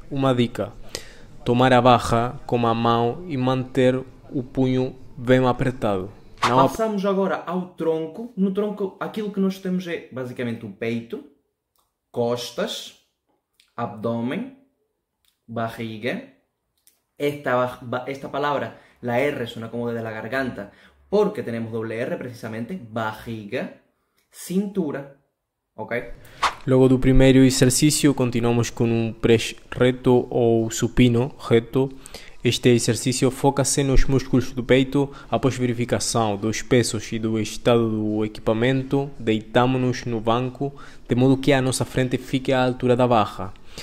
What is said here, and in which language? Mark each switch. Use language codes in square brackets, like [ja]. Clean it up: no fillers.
[pt] Uma dica: tomar a barra com a mão e manter o punho bem apertado. Não ap Passamos agora ao tronco. No tronco, aquilo que nós temos é basicamente o peito, costas, abdômen, barriga. Esta palavra, [es] la R, suena como desde la garganta, porque tenemos doble R precisamente, barriga, cintura. ¿Ok? [pt] Logo do primeiro exercício, continuamos com um press reto ou supino reto. Este exercício foca-se nos músculos do peito. Após verificação dos pesos e do estado do equipamento, deitamos-nos no banco, de modo que a nossa frente fique à altura da barra.